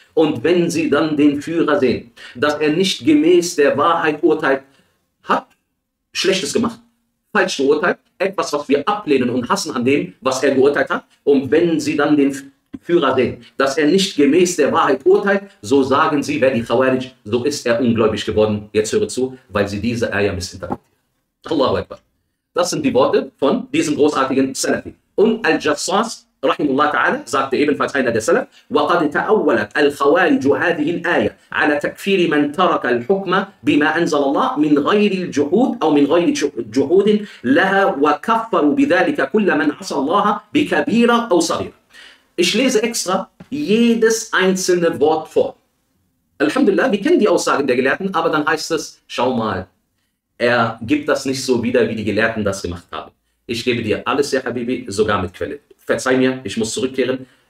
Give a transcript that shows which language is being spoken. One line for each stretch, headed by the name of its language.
German: Und wenn sie dann den Führer sehen, dass er nicht gemäß der Wahrheit urteilt, hat Schlechtes gemacht, falsch geurteilt, etwas, was wir ablehnen und hassen an dem, was er geurteilt hat. Und wenn sie dann den Führer sehen, dass er nicht gemäß der Wahrheit urteilt, so sagen sie, wer die Khawarij, so ist er ungläubig geworden. Jetzt höre zu, weil sie diese Ayah missinterpretieren. Allahu Akbar. Das sind die Worte von diesem großartigen Salafi. Und Al-Jassas, rahimullah ta'ala, sagte ebenfalls einer der Salaf,
Arabic: وَقَدْ تَأَوَّلَتْ أَلْخَوَارِجُ هَذِهِ الْآيَةِ عَلَى تَكْفِيرِ مَنْ تَرَكَ الْحُكْمَ بِمَا أَنْزَلَ اللَّهِ مِنْ غَيْرِ الْجُهُودِ أَوْ مِنْ غَيْرِ جُهُودٍ لَهَا وَكَفَّرُوا بِذَلِكَ كُلَّ مَنْ عَصَى اللَّهَ بِكَبِيرَ أَوْ صَغِيرَ.
German: Ich lese extra jedes einzelne Wort vor. Alhamdulillah, wir kennen die Aussagen der Gelehrten, aber dann heißt es, schau mal, er gibt das nicht so wieder, wie die Gelehrten das gemacht haben. Ich gebe dir alles, ja Habibi, sogar mit Quelle. Verzeih mir, ich muss zurückkehren.